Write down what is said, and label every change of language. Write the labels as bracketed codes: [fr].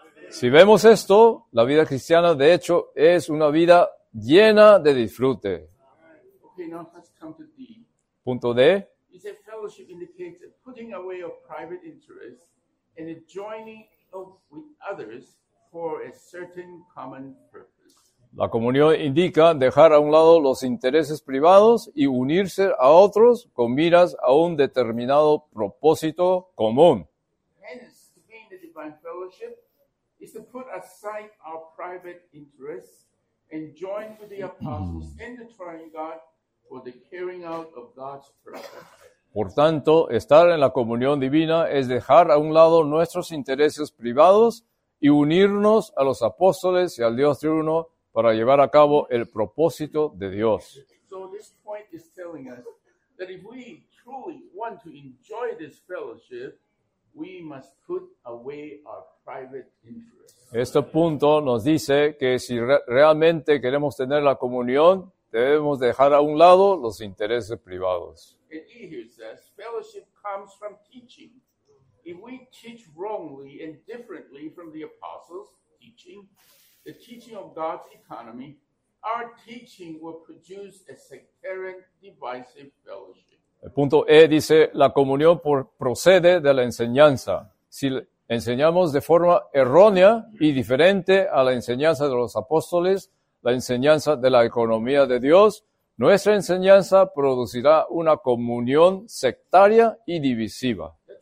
[es] Si vemos esto, la vida cristiana de hecho es una vida llena de disfrute. [en] Okay, now let's come to D. [es] Punto D. [en] Is a fellowship indicates a putting away of private interests and a joining of with others. For a certain common purpose. [es] La comunión indica dejar a un lado los intereses privados y unirse a otros con miras a un determinado propósito común. [en] Hence, to gain the divine fellowship is to put aside our private interests and join with the apostles and the triune God for the carrying out of God's purpose. [es] Por tanto, estar en la comunión divina es dejar a un lado nuestros intereses privados y unirnos a los apóstoles y al Dios triuno para llevar a cabo el propósito de Dios. [en] So this point is telling us that if we truly want to enjoy this fellowship, we must put away our private interests. [es] Este punto nos dice que si realmente queremos tener la comunión, debemos dejar a un lado los intereses privados. [en] And he here says, fellowship comes from teaching. If we teach wrongly and differently from the apostles' teaching, the teaching of God's economy, our teaching will produce a sectarian, divisive fellowship. [es] El punto E dice, la comunión procede de la enseñanza. Si enseñamos de forma errónea y diferente a la enseñanza de los apóstoles, la enseñanza de la economía de Dios, nuestra enseñanza producirá una comunión sectaria y divisiva.